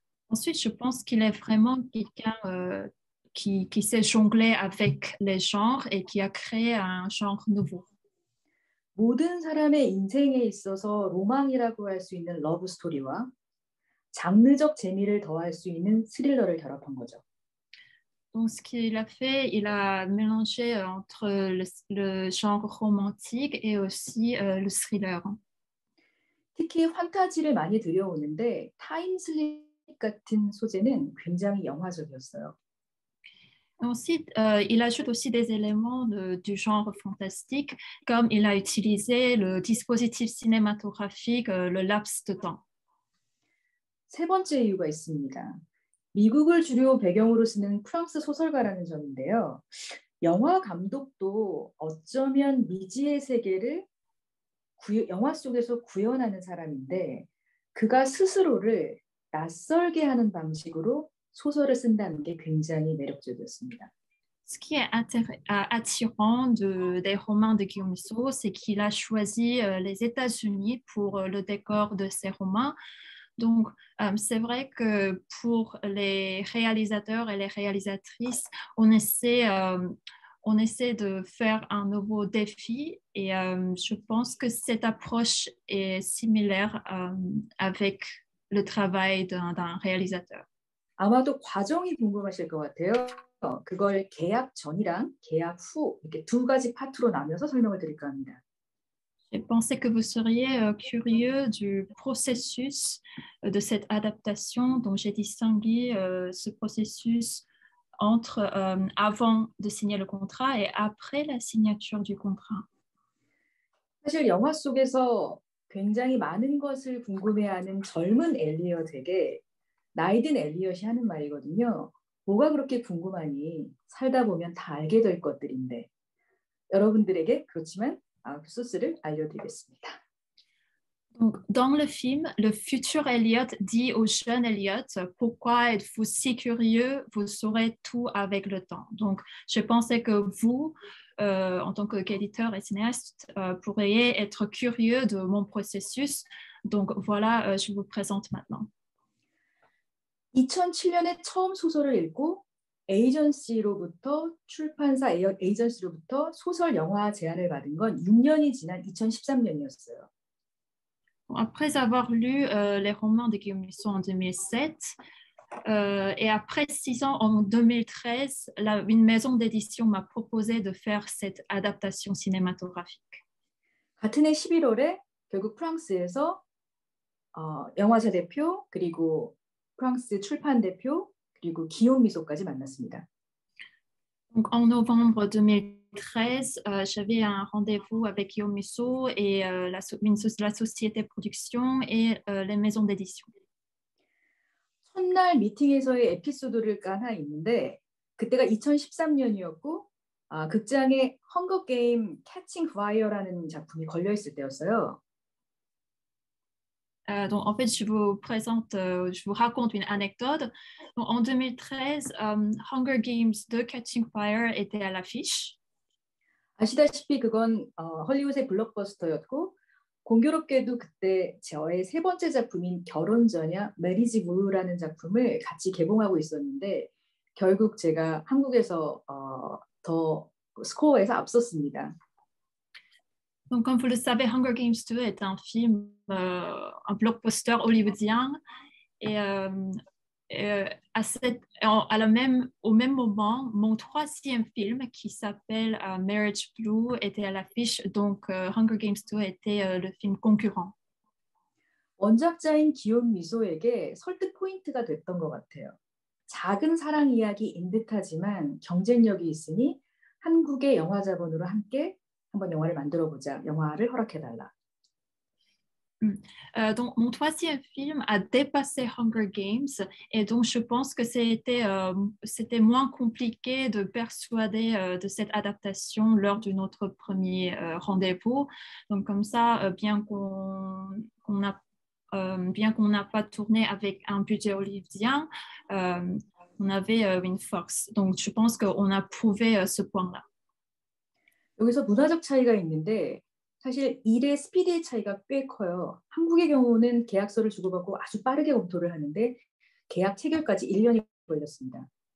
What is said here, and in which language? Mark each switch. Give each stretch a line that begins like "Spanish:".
French: Ensuite, je pense qu'il est vraiment quelqu'un qui sait jongler avec les genres et qui a créé un genre nouveau.
Korean: 모든 사람의 인생에 있어서 로망이라고 할 수 있는 러브 스토리와 장르적 재미를 더할 수 있는 스릴러를 결합한 거죠.
French: Donc ce qu'il a fait, il a mélangé entre le genre romantique et aussi le thriller.
Korean: 특히 판타지를 많이 들여오는데 타임슬립 같은 소재는 굉장히 영화적이었어요.
French: Ensuite, il ajoute aussi des éléments du genre fantastique, comme il a utilisé le dispositif cinématographique, le laps de temps.
Korean: 세 번째 이유가 있습니다. 미국을 주요 배경으로 쓰는 프랑스 소설가라는 점인데요. 영화 감독도 어쩌면 미지의 세계를 영화 속에서 구현하는 사람인데, 그가 스스로를 낯설게 하는 방식으로 소설을 쓴다는 게 굉장히 매력적이었습니다.
French: Ce qui est attirant des romans de Guillaume Musso, c'est qu'il a choisi les États-Unis pour le décor de ses romans. Donc, c'est vrai que pour les réalisateurs et les réalisatrices, on essaie de faire un nouveau défi. Et je pense que cette approche est similaire avec le travail d'un réalisateur.
Korean: 아마도 과정이 궁금하실 것 같아요. 그걸 계약 전이랑 계약 후 이렇게 두 가지 파트로 나눠서 설명을 드릴까 합니다.
French: Je pensais que vous seriez curieux du processus de cette adaptation, donc j'ai distingué ce processus entre avant de signer le contrat et après la signature du contrat.
Korean: 사실 영화 속에서 굉장히 많은 것을 궁금해하는 젊은 엘리엇에게 나이 든 엘리엇이 하는 말이거든요. 뭐가 그렇게 궁금하니? 살다 보면 다 알게 될 것들인데. 여러분들에게 그렇지만 소스를 알려드리겠습니다.
French: Donc, dans le film, le futur Elliot dit au jeune Elliot « Pourquoi êtes-vous si curieux? Vous saurez tout avec le temps. » Donc, je pensais que vous, en tant qu'éditeur et cinéaste, pourriez être curieux de mon processus. Donc, voilà, je vous présente maintenant.
Korean: 2007년에 처음 소설을 읽고 에이전시로부터 출판사 에이전시로부터 소설 영화 제안을 받은 건 6년이 지난 2013년이었어요.
French: Après avoir lu les romans de Guillaume Musso en 2007 et après 6 ans en 2013, une maison d'édition m'a proposé de faire cette adaptation cinématographique.
Korean: 같은 해 11월에 결국 프랑스에서 영화사 대표 그리고 프랑스 출판 대표 그리고 기욤 미소까지 만났습니다.
French: Donc en novembre 2013, j'avais un rendez-vous avec Guillaume Musso et la société de production et les maisons d'édition.
Korean: 첫날 미팅에서의 에피소드를 하나 있는데 그때가 2013년이었고 극장에 헝거 게임 캐칭 파이어라는 작품이 걸려 있을 때였어요.
French: Donc en fait, je vous raconte une anecdote. Donc, en 2013, Hunger Games de Catching Fire était à l'affiche.
Korean: 아시다시피 그건 할리우드의 블록버스터였고 공교롭게도 그때 저의 세 번째 작품인 결혼 전야 Marriage Vow라는 작품을 같이 개봉하고 있었는데 결국 제가 한국에서 더 스코어에서 앞섰습니다.
French: Donc, comme vous le savez, Hunger Games 2 est un film, un blockbuster hollywoodien. Et au même moment, mon troisième film, qui s'appelle Marriage Blue, était à l'affiche. Donc, Hunger Games 2 était le film concurrent.
Korean: 원작자인 기욤 미소에게 설득 포인트가 됐던 것 같아요. 작은 사랑 이야기인 듯하지만 경쟁력이 있으니 한국의 영화 자본으로 함께 한번 영화를 만들어 보자. 영화를 허락해 달라.
French: Donc mon troisième film a dépassé Hunger Games et donc je pense que c'était moins compliqué de persuader de cette adaptation lors de notre premier rendez-vous. Donc comme ça bien qu'on n'a pas tourné avec un budget hollywoodien, on avait une force. Donc je pense que on a prouvé ce point-là.
Korean: 여기서 문화적 차이가 있는데 사실 일의 스피드의 차이가 꽤 커요. 한국의 경우는 계약서를 주고받고 아주 빠르게 검토를 하는데 계약 체결까지 1년이 걸렸습니다.